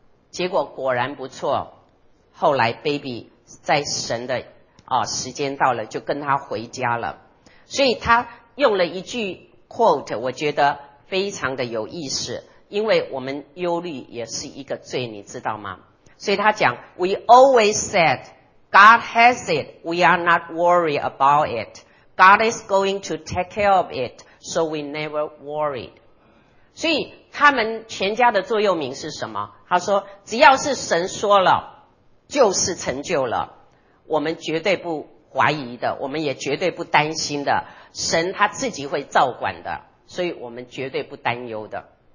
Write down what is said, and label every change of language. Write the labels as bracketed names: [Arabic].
[Chinese] 结果果然不错，后来 baby 在神的时间到了就跟他回家了。所以他用了一句 quote， 我觉得非常的有意思，因为我们忧虑也是一个罪，你知道吗？所以他讲 [English] We always said God has it, we are not worried about it, God is going to take care of it, so we never worried. [Chinese] 所以他们全家的座右铭是什么？他说，只要是神说了，就是成就了。我们绝对不怀疑的，我们也绝对不担心的，神他自己会照管的，所以我们绝对不担忧的。